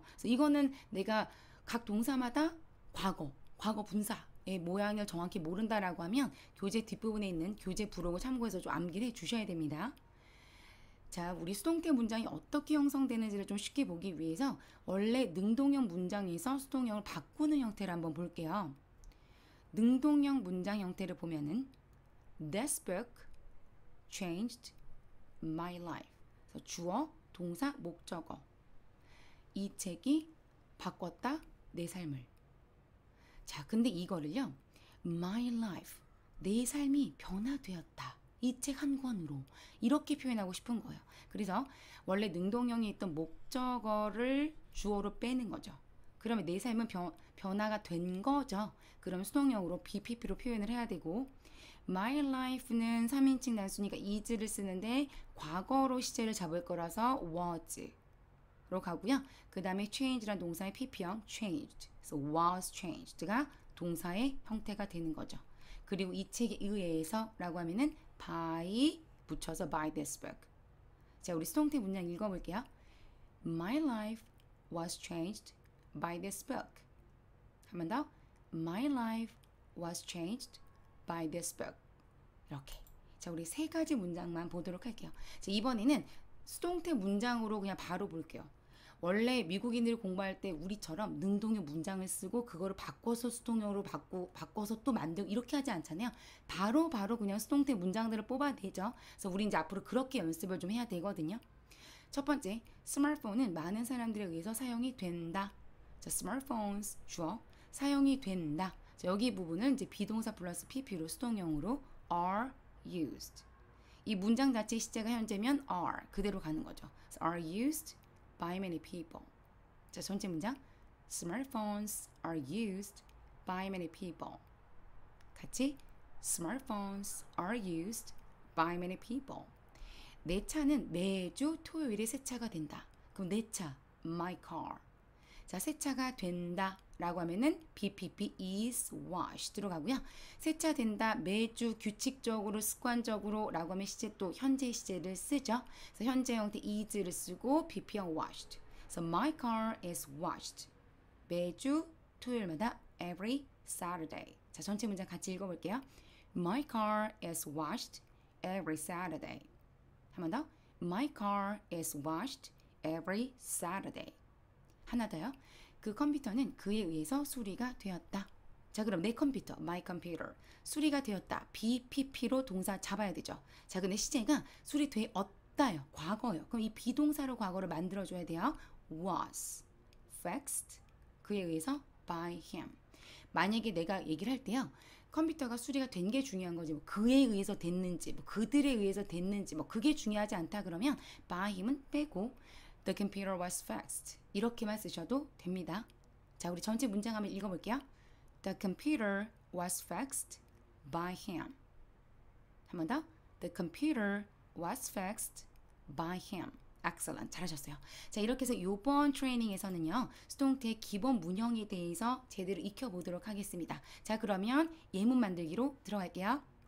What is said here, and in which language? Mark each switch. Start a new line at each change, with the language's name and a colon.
Korean: 그래서 이거는 내가 각 동사마다 과거 분사의 모양을 정확히 모른다라고 하면 교재 뒷부분에 있는 교재 부록을 참고해서 좀 암기를 해주셔야 됩니다. 자, 우리 수동태 문장이 어떻게 형성되는지를 좀 쉽게 보기 위해서 원래 능동형 문장에서 수동형을 바꾸는 형태를 한번 볼게요. 능동형 문장 형태를 보면은
English: This book changed my life.
Korean: 주어, 동사, 목적어. 이 책이 바꿨다, 내 삶을. 자, 근데 이거를요, my life, 내 삶이 변화되었다. 이 책 한 권으로 이렇게 표현하고 싶은 거예요. 그래서 원래 능동형에 있던 목적어를 주어로 빼는 거죠. 그러면 내 삶은 변화가 된 거죠. 그럼 수동형으로 BPP로 표현을 해야 되고, My life는 3인칭 단수니까 is를 쓰는데 과거로 시제를 잡을 거라서 was로 가고요. 그 다음에 change란 동사의 PP형 changed,
English: so was changed
Korean: 가 동사의 형태가 되는 거죠. 그리고 이 책에 의해서 라고 하면은 by 붙여서
English: by this book.
Korean: 자, 우리 수동태 문장 읽어볼게요.
English: My life was changed by this book.
Korean: 한 번 더.
English: My life was changed by this book.
Korean: 이렇게. 자, 우리 세 가지 문장만 보도록 할게요. 자, 이번에는 수동태 문장으로 그냥 바로 볼게요. 원래 미국인들이 공부할 때 우리처럼 능동형 문장을 쓰고 그거를 바꿔서 수동형으로 바꿔서 또 만들고 이렇게 하지 않잖아요. 바로 그냥 수동태 문장들을 뽑아내죠. 그래서 우리 이제 앞으로 그렇게 연습을 좀 해야 되거든요. 첫 번째, 스마트폰은 많은 사람들에 의해서 사용이 된다. 자, smartphones 주어, 사용이 된다. 자, 여기 부분은 이제 비동사 플러스 PP로 수동형으로
English: are used.
Korean: 이 문장 자체의 시제가 현재면 are 그대로 가는 거죠.
English: So are used by many people.
Korean: 자, 전체 문장
English: smartphones are used by many people.
Korean: 같이
English: smartphones are used by many people.
Korean: 내 차는 매주 토요일에 세차가 된다. 그럼 내 차, my car. 자, 세차가 된다 라고 하면은 BPP
English: is washed
Korean: 들어가고요. 세차된다, 매주 규칙적으로 습관적으로 라고 하면 시제, 또 현재 시제를 쓰죠. 그래서 현재 형태
English: is를 쓰고 BPP형 washed. So my car is washed.
Korean: 매주 토요일마다
English: every Saturday.
Korean: 자, 전체 문장 같이 읽어볼게요.
English: My car is washed every Saturday.
Korean: 한 번 더.
English: My car is washed every Saturday.
Korean: 하나 더요. 그 컴퓨터는 그에 의해서 수리가 되었다. 자, 그럼 내 컴퓨터,
English: my computer,
Korean: 수리가 되었다. BPP로 동사 잡아야 되죠. 자, 근데 시제가 수리되었다요. 과거요. 그럼 이 비동사로 과거를 만들어줘야 돼요.
English: was fixed,
Korean: 그에 의해서
English: by him.
Korean: 만약에 내가 얘기를 할 때요, 컴퓨터가 수리가 된 게 중요한 거지, 뭐 그에 의해서 됐는지, 뭐 그들에 의해서 됐는지, 뭐 그게 중요하지 않다 그러면 by him은 빼고
English: The computer was fixed.
Korean: 이렇게만 쓰셔도 됩니다. 자, 우리 전체 문장 한번 읽어볼게요.
English: The computer was fixed by him.
Korean: 한 번 더.
English: The computer was fixed by him. Excellent.
Korean: 잘하셨어요. 자, 이렇게 해서 이번 트레이닝에서는요. 스톰트의 기본 문형에 대해서 제대로 익혀보도록 하겠습니다. 자, 그러면 예문 만들기로 들어갈게요.